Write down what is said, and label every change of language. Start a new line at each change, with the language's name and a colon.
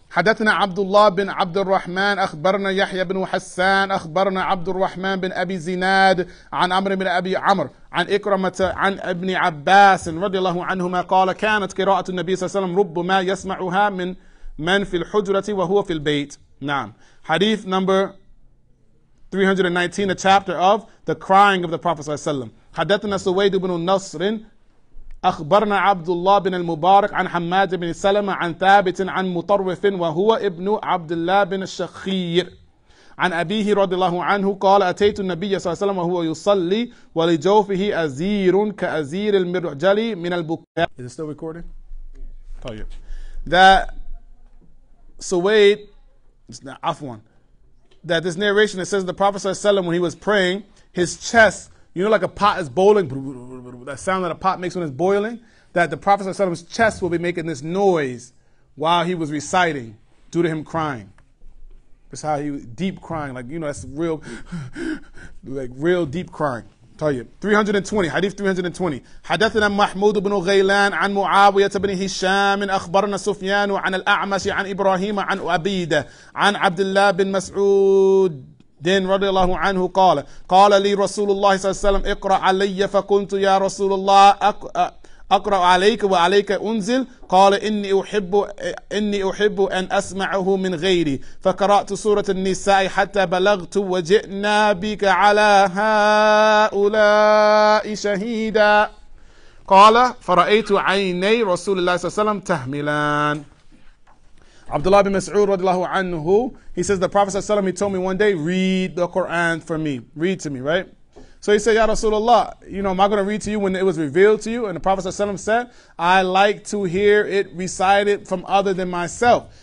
Arabic: حدثنا عبد الله بن عبد الرحمن أخبرنا يحيى بن حسان أخبرنا عبد الرحمن بن أبي زناد عن عمرو بن أبي عمرو عن إكرمة عن ابن عباس رضي الله عنهما قال كانت قراءة النبي صلى الله عليه وسلم ربما يسمعها من في الحجرة وهو في البيت. نعم.
English: Hadith number 319, a chapter of the crying of the Prophet
Arabic: صلى الله عليه وسلم. حدثنا سويد بن نصر أخبرنا عبد الله بن المبارك عن حماد بن سلمة عن ثابت عن مطرف وهو ابن عبد الله بن الشخير عن أبيه رضي الله عنه قال أتيت النبي صلى الله عليه وسلم وهو يصلي ولجوفه أزير كأزير المرجل من البكاء.
English: Is it still recording?
Arabic: طيب.
English: That Suwayd,
Arabic: Afwan,
English: that this narration that says the Prophet
Arabic: صلى الله عليه وسلم
English: when he was praying, his chest, you know, like a pot is boiling, that sound that a pot makes when it's boiling, that the Prophet ﷺ's chest will be making this noise while he was reciting due to him crying. That's how he was deep crying. Like, you know, that's real, like real deep crying. Tell you. 320, Hadith 320.
Arabic: حدثنا محمود بن غيلان عن معاوية بن هشام أخبرنا سفيان عن الأعمش عن إبراهيم عن أبيد عن عبد الله بن مسعود
English: then
Arabic: رضي الله عنه قال قال لي رسول الله صلى الله عليه وسلم اقرأ علي فقلت يا رسول الله اقرأ عليك وعليك انزل قال إني أحب أن أسمعه من غيري فقرأت سورة النساء حتى بلغت وجئنا بك على هؤلاء شهيدا قال فرأيت عيني رسول الله صلى الله عليه وسلم تهملان.
English: Abdullah bin Mas'ud
Arabic: radiallahu anhu,
English: he says, the Prophet
Arabic: sallallahu alayhi wa sallam,
English: he told me one day, read the Quran for me. Read to me, right? So he said,
Arabic: Ya Rasulullah,
English: you know, am I going to read to you when it was revealed to you? And the Prophet
Arabic: sallallahu alayhi wa sallam
English: said, I like to hear it recited from other than myself.